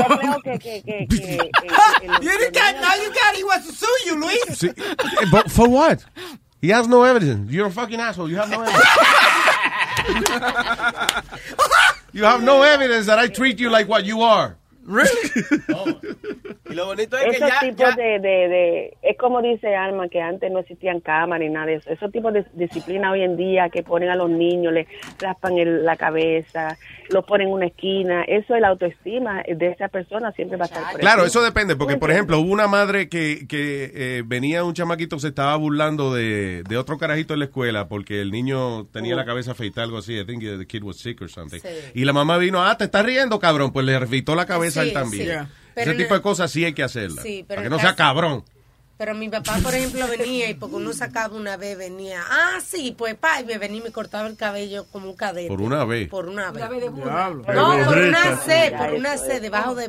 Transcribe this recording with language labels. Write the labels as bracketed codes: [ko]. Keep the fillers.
[en] now you got he wants to sue you, Luis. Okay, but for what? He has no evidence. You're a fucking asshole. You have no evidence. you have no evidence that I treat you like what you are. Really? Oh. [es] Y lo bonito es Esos que ya, tipos de, de, de, es como dice Alma que antes no existían cámaras ni nada de eso. Esos tipos de disciplina hoy en día que ponen a los niños, les raspan el, la cabeza, los ponen en una esquina, eso es la autoestima de esa persona siempre Mucha va a estar presente. Claro, eso depende, porque por ejemplo, hubo una madre que, que eh, venía un chamaquito se estaba burlando de, de, otro carajito en la escuela porque el niño tenía uh. la cabeza feita algo así, [en] I think the kid was sick or something. [es] Sí. Y la mamá vino, "Ah, te estás riendo, cabrón." Pues le afeitó la cabeza Sí, también. Sí. Ese pero tipo de cosas sí hay que hacerlas. Sí, para que no caso, sea cabrón. Pero mi papá, por ejemplo, venía y porque uno sacaba una vez, venía, ah, sí, pues, pa, y me venía y me cortaba el cabello como un cadete. ¿Por una vez? Por una vez. no, de por, B. Una C, mira, por una C, por una C, debajo bueno.